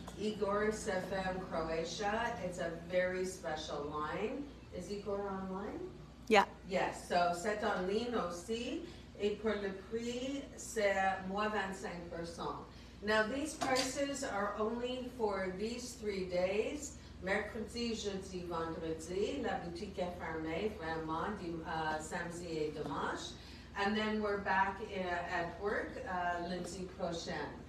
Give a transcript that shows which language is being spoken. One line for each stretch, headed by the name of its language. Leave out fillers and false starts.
English: Igor Sefem Croatia. It's a very special line. Is Igor online? Yeah. Yes, so
French: c'est en ligne aussi. Et pour le prix, c'est moins 25%.
English: Now, these prices are only for these 3 days.
French: Mercredi, jeudi, vendredi, la boutique est fermée, vraiment, samedi et dimanche.
English: And then we're back at work,
French: lundi prochain.